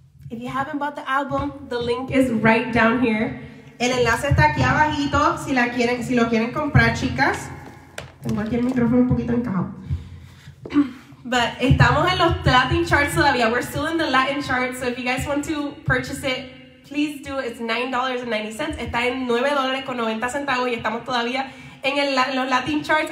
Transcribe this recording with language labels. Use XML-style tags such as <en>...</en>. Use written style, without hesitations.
<en>If you haven't bought the album, the link is right down here.</en> <es>El enlace está aquí abajito, si lo quieren comprar, chicas. Tengo aquí el micrófono un poquito encajado. But estamos en los Latin charts todavía.</es> <en>We're still in the Latin charts, so if you guys want to purchase it, please do. It's $9.90.</en> <es>Está en $9.90 y estamos todavía en los Latin charts.</es>